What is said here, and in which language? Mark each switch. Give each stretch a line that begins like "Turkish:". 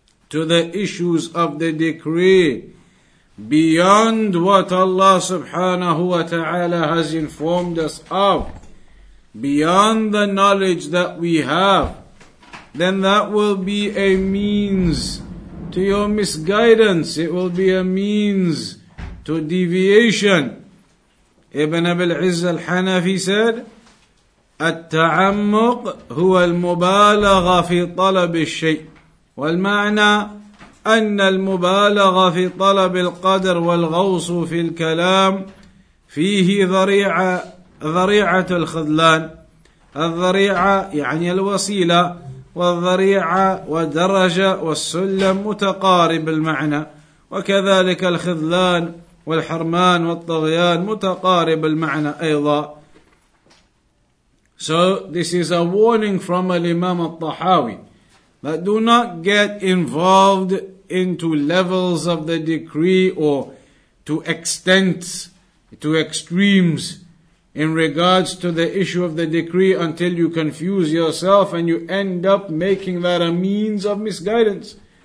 English: to the issues of the decree beyond what Allah subhanahu wa ta'ala has informed us of, beyond the knowledge that we have, then that will be a means to your misguidance. It will be a means to deviation. Ibn Abil Izz al-Hanafi said,
Arabic: التعمق هو المبالغة في طلب الشيء. والمعنى أن المبالغة في طلب القدر والغوص في الكلام فيه ذريعة الخذلان. الذريعة يعني الوسيلة. والذريعة ودرجة والسلم متقارب المعنى, وكذلك الخذلان والحرمان والطغيان متقارب المعنى أيضا.
English: So this is a warning from Al-Imam At-Tahaawi, that do not get involved into levels of the decree or to extents, to extremes in regards to the issue of the decree until you confuse yourself and you end up making that a means of misguidance.